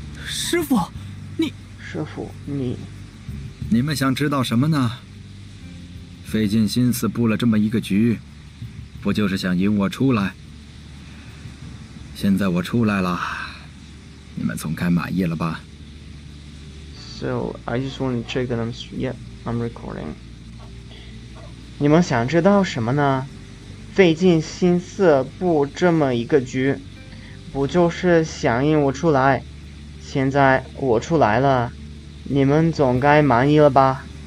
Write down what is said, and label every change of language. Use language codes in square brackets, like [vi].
[zh] 师父，你师父你，你们想知道什么呢？费尽心思布了这么一个局，不就是想引我出来？现在我出来了，你们总该满意了吧。 [en] So I just want to check that I'm Yeah, I'm recording. [zh] 你们想知道什么呢？费尽心思布这么一个局，不就是想引我出来？现在我出来了，你们总该满意了吧。